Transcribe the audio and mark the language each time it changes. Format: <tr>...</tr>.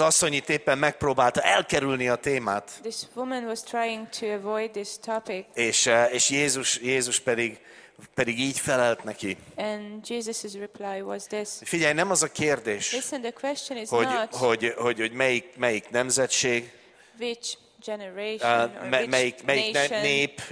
<hu>asszony itt éppen megpróbálta elkerülni a témát.</hu> <en>This woman was trying to avoid this topic.</en> <hu>És Jézus pedig így felelt neki.</hu> <en>And Jesus's reply was this.</en> <hu>Figyelj, nem az a kérdés.</hu> <en>Listen, the question is</en> <hu>hogy melyik nemzetség?</hu> <en>Which generation or melyik nation,</en> <hu>nép,</hu> <en>which</en>